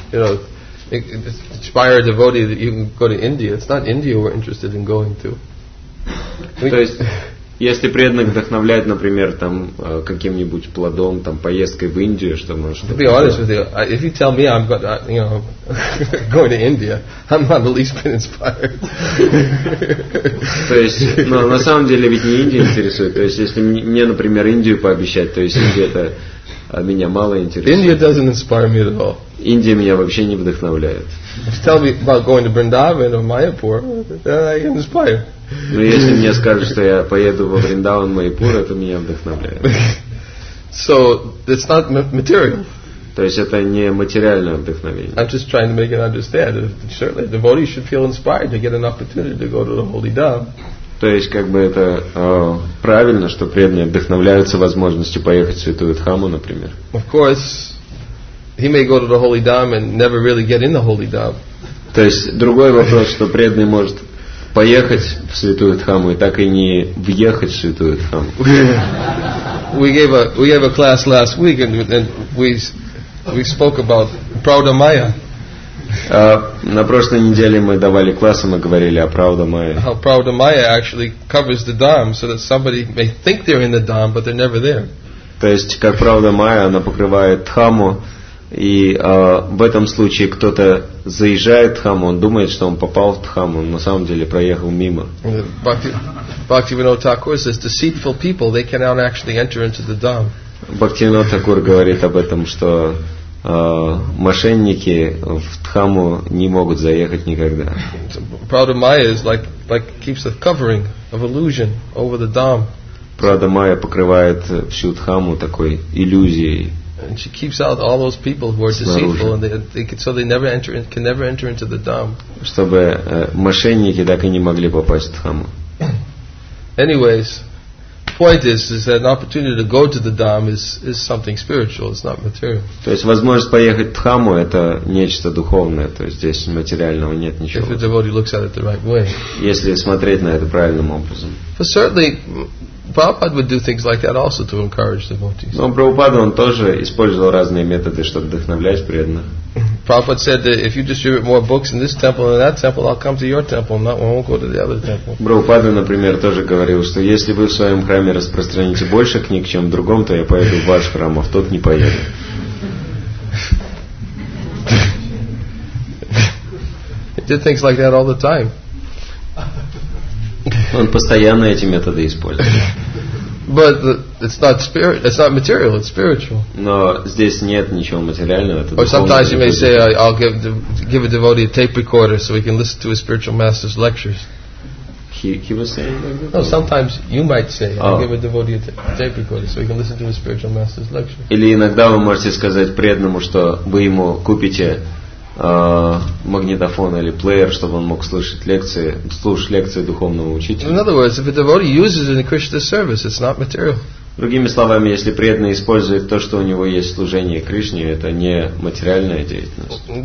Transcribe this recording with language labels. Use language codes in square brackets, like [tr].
[en] you know, aspire a devotee that you can go to India. It's not India we're interested in going to. [ru] То есть, если преданных вдохновляет, например, там каким-нибудь плодом, там поездкой в Индию, что может. [en] To be honest with you, if you tell me I'm going, you know, going to India, I'm not the least bit inspired. [ru] То есть, но на самом деле ведь не Индия интересует. То есть, если мне, например, Индию пообещать, то есть где-то меня мало интересует. [en] India doesn't inspire me at all. [ru] Индия меня вообще не вдохновляет. [en] If you tell me about going to Vrindavan or Mayapur, I can inspire. [ru] Но если мне скажут, что я поеду во Вриндаван, Майпур, это меня вдохновляет. [en] So it's not material. [ru] То есть это не материальное вдохновение. [en] I'm just trying to make it understand. Certainly, a devotee should feel inspired to get an opportunity to go to the holy dham. [ru] То есть как бы это правильно, что преданные вдохновляются возможностью поехать в святую дхаму, например. [en] Of course, he may go to the holy dham and never really get in the holy dham. [ru] То есть другой вопрос, что преданный может поехать в святую дхаму и так и не въехать в святую дхаму. [en] We gave a class last week and we spoke about Prauda Maya. [ru] На прошлой неделе мы давали класс, и мы говорили о Prauda Maya. [en] How Prauda Maya actually covers the dham so that somebody may think they're in the dham but they're never there. [ru] То есть как Prauda Maya, она покрывает дхаму. И в этом случае кто-то заезжает в дхаму, он думает, что он попал в дхаму, но на самом деле проехал мимо. [en] Bhaktivinoda Thakur says deceitful people, they cannot actually enter into the dham. [ru] Bhaktivinoda Thakur говорит об этом, что мошенники в дхаму не могут заехать никогда. [en] Prauda Maya is like keeps a covering of illusion over the dham. [ru] Prauda Maya покрывает всю дхаму такой иллюзией. [en] And she keeps out all those people who are deceitful, and they can never enter into the dham. [ru] Чтобы мошенники так и не могли попасть в дхаму. [en] Anyways, point is that an opportunity to go to the dham is something spiritual. It's not material. [ru] То есть возможность поехать в дхаму это нечто духовное. То есть здесь материального нет ничего. [en] If the devotee looks at it the right way. [ru] Если смотреть на это правильным образом. [en] But certainly. Prabhupada would do things like that also to encourage devotees. [ru] Но Прабхупада он тоже использовал разные методы, чтобы вдохновлять преданных. [en] Prabhupada said that if you distribute more books in this temple than that temple, I'll come to your temple, not I won't go to the other temple. [ru] Прабхупада, например, тоже говорил, что если вы в своем храме распространите больше книг, чем в другом, то я поеду в ваш храм, а в тот не поеду. [en] He did things like that all the time. [ru] Он постоянно эти методы использует. [en] But it's not spirit, it's not material, it's spiritual. [ru] Но здесь нет ничего материального. Это [en] or sometimes you may say, I'll give a devotee a tape recorder so he can listen to his spiritual master's lectures. He was saying that? No, sometimes you might say, I'll give a devotee a tape recorder so he can listen to his spiritual master's lectures. [ru] Или иногда вы можете сказать преданному, что вы ему купите магнитофон или плеер, чтобы он мог слушать лекции духовного учителя. [en] In other words, if a devotee uses it in Krishna's service, it's not material. [ru] Другими словами, если преданный использует то, что у него есть служение Кришне, это не материальная деятельность.